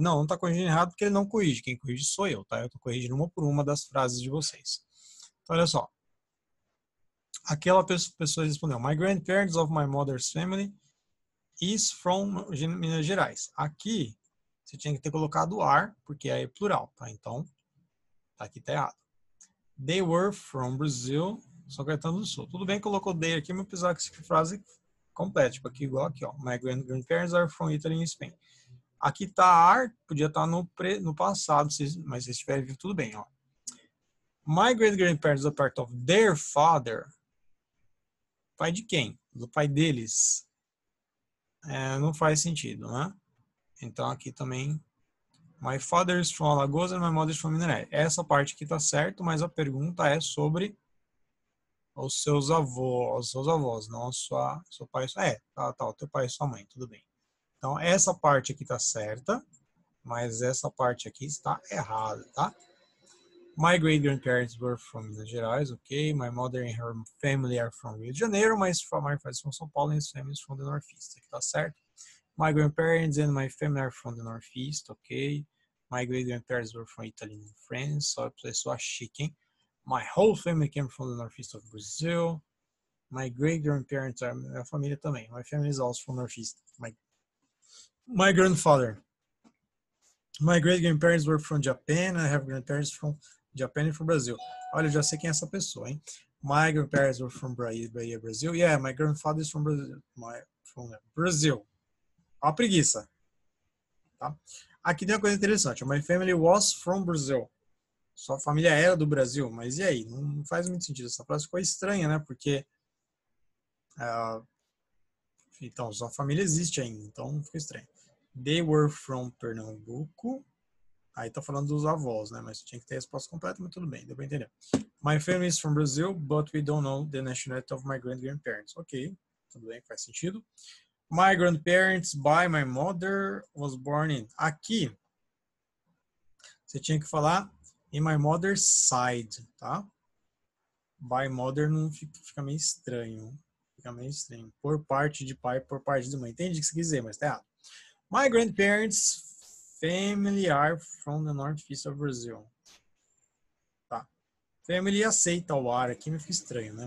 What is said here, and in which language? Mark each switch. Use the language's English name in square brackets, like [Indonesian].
[Portuguese] Não, não está corrigindo errado porque ele não corrige. Quem corrige sou eu, tá? Eu estou corrigindo uma por uma das frases de vocês. Então, olha só. Aquela pessoa respondeu: [English] My grandparents of my mother's family is from Minas Gerais. [Portuguese] Aqui. Você tinha que ter colocado are, porque aí é plural, tá? Então, aqui tá errado. [English] They were from Brazil, São Caetano do Sul. [Portuguese] Tudo bem que colocou they aqui, mas precisava que essa frase complete, tipo aqui igual aqui, ó. [English] My grandparents are from Italy and Spain. [Portuguese] Aqui tá are, podia estar no passado, mas se estiver vivo, tudo bem, ó. [English] My great grandparents are part of their father. [Portuguese] Pai de quem? Do pai deles. É, não faz sentido, né? Então, aqui também, [English] my father is from Alagoas and my mother is from Minas. [Portuguese] Essa parte aqui tá certo, mas a pergunta é sobre os seus avós, não seu pai. É, tá, o teu pai e sua mãe, tudo bem. Então, essa parte aqui tá certa, mas essa parte aqui está errada, tá? [English] My great grandparents were from Minas Gerais, ok. My mother and her family are from Rio de Janeiro, mas my father is from São Paulo and his family is from the Northeast. [Portuguese] Aqui tá certo. [English] My grandparents and my family are from the Northeast, ok. My great grandparents were from Italy and France. [Portuguese] Só pessoa chique, hein? [English] My whole family came from the Northeast of Brazil. My great grandparents are [Portuguese] minha família também. [English] My family is also from Northeast. My grandfather. My great grandparents were from Japan. I have grandparents from Japan and from Brazil. [Portuguese] Olha, eu já sei quem é essa pessoa, hein? [English] My grandparents were from Bahia, Brazil. Yeah, my grandfather is from Brazil. Brazil. [Portuguese] A preguiça, tá? Aqui tem uma coisa interessante. [English] My family was from Brazil. [Portuguese] Sua família era do Brasil, mas e aí? Não faz muito sentido. Essa frase ficou estranha, né? Porque, então, sua família existe ainda, então ficou estranho. [English] They were from Pernambuco. [Portuguese] Aí tá falando dos avós, né? Mas tinha que ter a resposta completa, mas tudo bem, deu pra entender. [English] My family is from Brazil, but we don't know the nationality of my great grandparents. [Portuguese] Ok, tudo bem, faz sentido. [English] My grandparents by my mother was born in. [Portuguese] Aqui, você tinha que falar [English] in my mother's side, [Portuguese] tá? By mother não fica meio estranho. Fica meio estranho. Por parte de pai, por parte de mãe. Entendi o que você quis dizer, mas tá errado. [English] My grandparents' family are from the Northeast of Brazil. [Portuguese] Family aceita o ar aqui, me fica estranho, né?